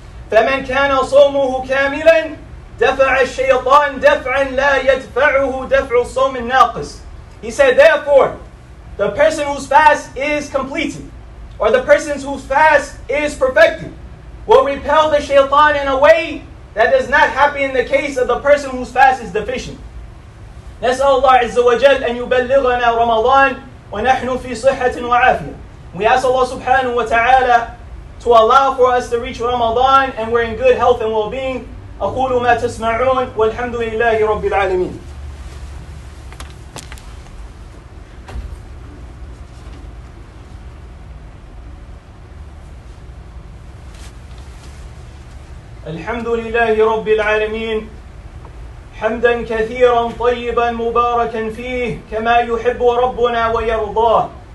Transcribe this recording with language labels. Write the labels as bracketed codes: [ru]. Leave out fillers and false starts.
[ar] فَمَنْ كَانَ صَوْمُهُ كَامِلًا دَفَعَ الشَّيْطَانِ دَفْعًا لَا يَدْفَعُهُ دَفْعُ الصَّوْمِ النَّاقِصِ. [en] He said, therefore, the person whose fast is completed, or the person whose fast is perfected, will repel the shaytan in a way that does not happen in the case of the person whose fast is deficient. [ar] نسأل الله عز وجل أن يبلغنا رمضان ونحن في صحة وعافية. [en] We ask Allah subhanahu wa ta'ala to allow for us to reach Ramadan and we're in good health and well-being. [ar] أقول ما تسمعون والحمد لله رب العالمين. الحمد لله رب العالمين. حمدا كثيرا طيبا مباركا فيه كما يحب ربنا ويرضاه.